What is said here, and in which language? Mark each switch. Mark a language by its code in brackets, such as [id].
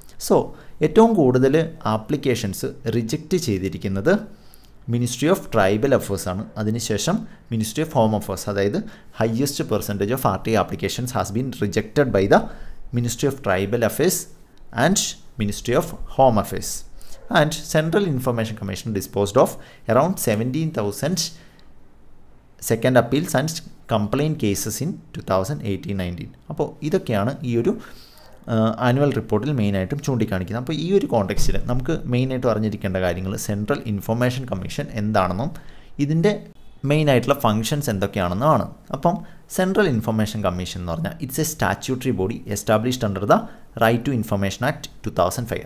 [ml] So ഏറ്റവും കൂടുതൽ applications reject ചെയ്തിരിക്കുന്നത് മിനിസ്ട്രി ഓഫ് ട്രൈബൽ അഫേഴ്സ് ആണ്, അതിനുശേഷം മിനിസ്ട്രി ഓഫ് ഹോം അഫേഴ്സ്. അതായത് [en] Highest percentage of R T applications has been rejected by the ministry of tribal affairs and ministry of home affairs. And Central Information Commission disposed of around 17,000 second appeals and complaint cases in 2018-19. [ml] അപ്പോൾ ഇതൊക്കെയാണ് ഈ ഒരു annual റിപ്പോർട്ടിൽ മെയിനായിട്ടും ചൂണ്ടിക്കാണിക്കുന്നത്. അപ്പോൾ ഈ ഒരു കോണ്ടെക്സ്റ്റിൽ നമുക്ക് മെയിനായിട്ട് അറിഞ്ഞിരിക്കേണ്ട കാര്യങ്ങൾ സെൻട്രൽ ഇൻഫർമേഷൻ കമ്മീഷൻ എന്താണെന്നും ഇതിൻ്റെ മെയിനായിട്ടുള്ള ഫങ്ഷൻസ് എന്തൊക്കെയാണെന്നുമാണ്. അപ്പം സെൻട്രൽ ഇൻഫർമേഷൻ കമ്മീഷൻ എന്ന് പറഞ്ഞാൽ [en] It's a statutory body established under the right to information act 2005.